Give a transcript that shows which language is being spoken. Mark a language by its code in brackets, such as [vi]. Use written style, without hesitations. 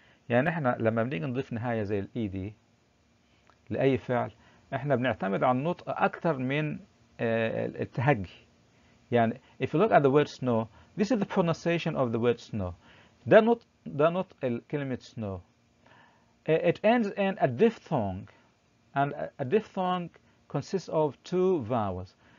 [ar] يعني احنا لما بنيجي نضيف نهاية زي الـ ed لأي فعل احنا بنعتمد على النطق أكثر من التهجي. [en] يعني if you look at the word snow, this is the pronunciation of the word snow. [ar] ده نطق كلمة snow. [en] It ends in a diphthong, and a diphthong consists of two vowels.